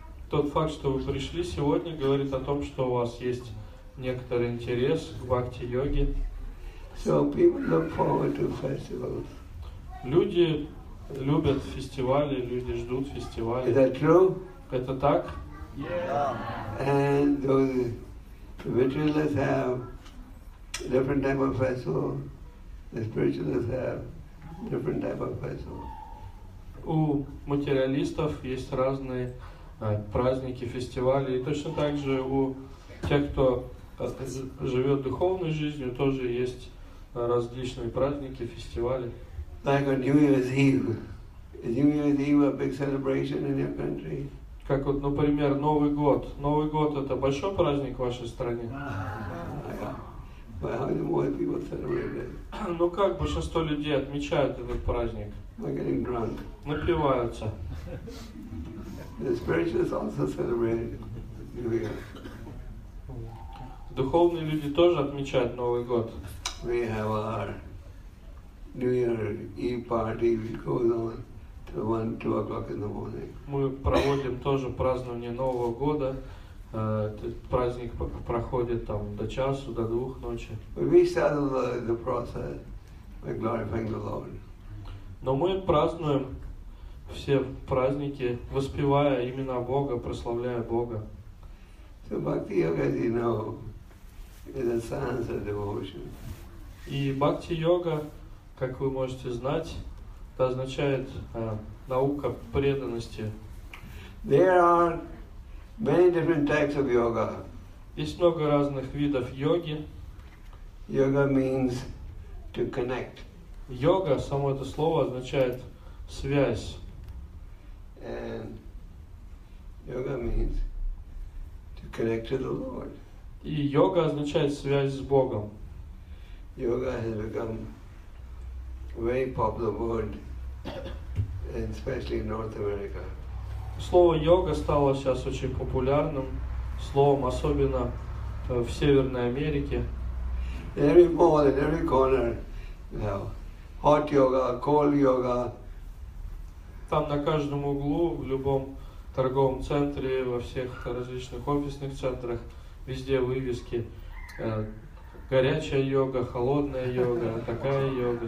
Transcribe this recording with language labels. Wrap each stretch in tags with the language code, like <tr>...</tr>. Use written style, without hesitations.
<ru>Тот факт, что вы пришли сегодня, говорит о том, что у вас есть некоторый интерес к бхакти-йоге.</ru> <en>So people look forward to festivals.</en> <ru>Люди любят фестивали, люди ждут фестивали.</ru> <en>Is that true?</en> <ru>Это так?</ru> <en>Yeah. And those materialists have different type of festival. The spiritualists have different type of festival.</en> <ru>У материалистов есть разные праздники, фестивали, и точно так же у тех, кто живет духовной жизнью, тоже есть различные праздники, фестивали.</ru> <en>Like on New Year's Eve. Is New Year's Eve a big celebration in your country?</en> <ru>Как вот, например, Новый год. Новый год – это большой праздник в вашей стране?</ru> <en>But how do more people celebrate it?</en> <ru>Ну как большинство людей отмечают этот праздник?</ru> <en>By getting drunk.</en> <ru>Напиваются.</ru> <en>The spiritualists also celebrate New Year.</en> <ru>Духовные люди тоже отмечают Новый год.</ru> <en>We have our New Year Eve party. We go on to 1-2 o'clock in the morning.</en> <ru>Мы проводим тоже празднование Нового года. Праздник проходит там до часу, до двух ночи.</ru> <en>We started the process by glorifying the Lord.</en> <ru>Но мы празднуем все праздники, воспевая имена Бога, прославляя Бога.</ru> <en>So bhakti-yoga, as you know, is a science of devotion.</en> <ru>И бхакти-йога, как вы можете знать, это означает наука преданности.</ru> <en>There are many different types of yoga.</en> <ru>Есть много разных видов йоги.</ru> <en>Yoga means to connect.</en> <ru>Йога, само это слово, означает связь.</ru> <en>And yoga means to connect to the Lord.</en> <ru>И йога означает связь с Богом.</ru> <en>Yoga has become a very popular word, especially in North America.</en> <ru>Слово йога стало сейчас очень популярным словом, особенно в Северной Америке.</ru> <en>Every ball in every corner, you know, hot yoga, cold yoga.</en> <ru>Там на каждом углу, в любом торговом центре, во всех различных офисных центрах, везде вывески. Горячая йога, холодная йога, такая йога,</ru>